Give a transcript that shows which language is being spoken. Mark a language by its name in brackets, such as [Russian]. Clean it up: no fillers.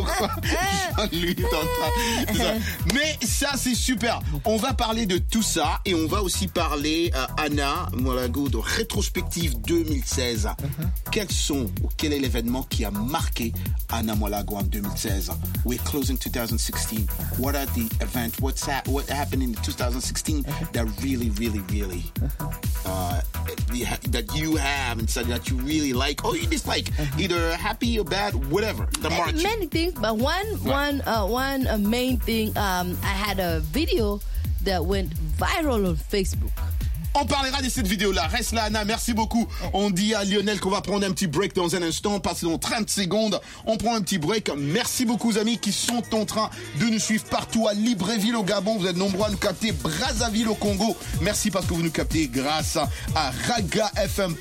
[French] Pourquoi Jean-Louis? Mais ça, c'est super. On va parler de tout ça et on va aussi parler, Anna Mwalago, de rétrospective 2016. Quel est l'événement qui a marqué Anna Mwalago en 2016? [English] We're closing 2016. What are the events? What happened in 2016 that really, really, really, that you have and said that you really like or you dislike, either happy or bad, whatever, the march? Many things, but one main thing, I had a video that went viral on Facebook. [French] On parlera de cette vidéo-là. Reste là, Anna. Merci beaucoup. On dit à Lionel qu'on va prendre un petit break dans un instant. Passer dans 30 secondes. On prend un petit break. Merci beaucoup, amis, qui sont en train de nous suivre partout à Libreville au Gabon. Vous êtes nombreux à nous capter. Brazzaville au Congo. Merci parce que vous nous captez grâce à Raga FM.